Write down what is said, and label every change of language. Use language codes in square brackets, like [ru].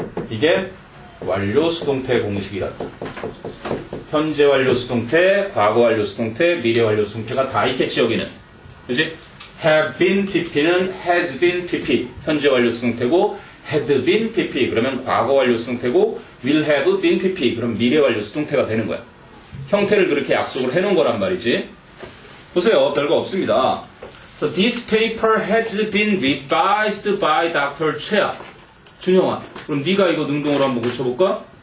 [ko] 이게 완료 수동태 공식이다. 현재 완료 수동태, 과거 완료 수동태, 미래 완료 수동태가 다 있겠지, 여기는. 그지? [en] have been TP [ko] 는 [en] has been TP. [ko] 현재 완료 수동태고, [en] had been TP. [ko] 그러면 과거 완료 수동태고, [en] will have been TP. [ko] 그럼 미래 완료 수동태가 되는 거야. 형태를 그렇게 약속을 해놓은 거란 말이지. 보세요. 별거 없습니다. [en] So, this paper has been revised by Dr. [ko] Chia. 준영아. 그럼 네가 이거 능동으로 한번 고쳐볼까?